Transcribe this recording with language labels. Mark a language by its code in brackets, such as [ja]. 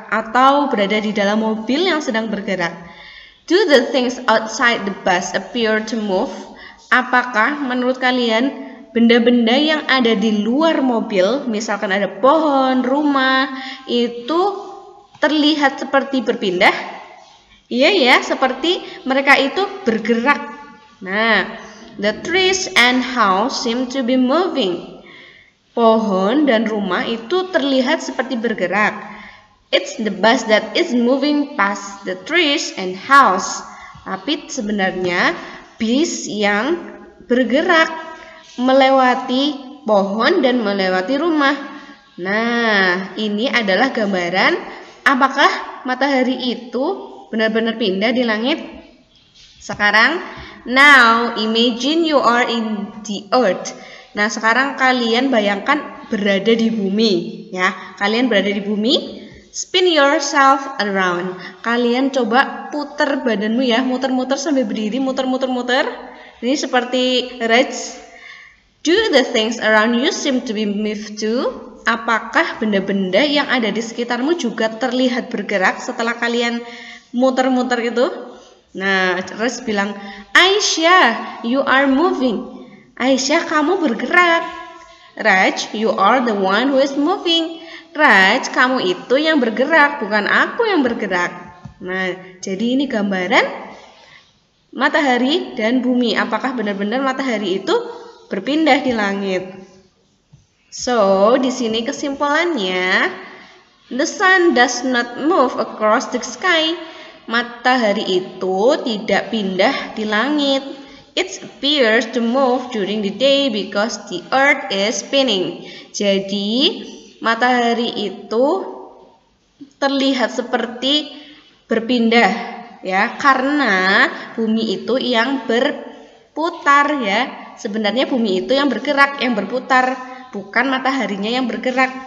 [id] Atau berada di dalam mobil yang sedang bergerak. [en] Do the things outside the bus appear to move? [id] Apakah menurut kalian benda-benda yang ada di luar mobil, misalkan ada pohon, rumah, itu terlihat seperti berpindah? Iya ya, seperti mereka itu bergerak. [en] Nah, the trees and house seem to be moving. [id] Pohon dan rumah itu terlihat seperti bergerak. [en] It's the bus that is moving past the trees and house. [id] Tapi sebenarnya bis yang bergerak melewati pohon dan melewati rumah. Nah, ini adalah gambaran apakah matahari itu benar-benar pindah di langit. Sekarang, [en] now imagine you are in the earth. [id] Nah, sekarang kalian bayangkan berada di bumi. Ya, kalian berada di bumi. [en] Spin yourself around. [id] Kalian coba putar badanmu ya, muter-muter sambil berdiri, muter-muter-muter. Ini seperti race. [en] Do the things around you seem to be moved too? [id] Apakah benda-benda yang ada di sekitarmu juga terlihat bergerak setelah kalian muter-muter itu? [en] Nah, [id] race bilang, [en] Aisyah, you are moving. [id] Aisyah, kamu bergerak. [en] Raj, you are the one who is moving. [id] Raj, kamu itu yang bergerak, bukan aku yang bergerak. Nah, jadi ini gambaran matahari dan bumi. Apakah benar-benar matahari itu berpindah di langit? [en] So, [id] di sini kesimpulannya, [en] the sun does not move across the sky. [id] Matahari itu tidak pindah di langit. [en] It appears to move during the day because the earth is spinning. [id] Jadi, matahari itu terlihat seperti berpindah ya, karena bumi itu yang berputar ya. Sebenarnya bumi itu yang bergerak, yang berputar, bukan mataharinya yang bergerak.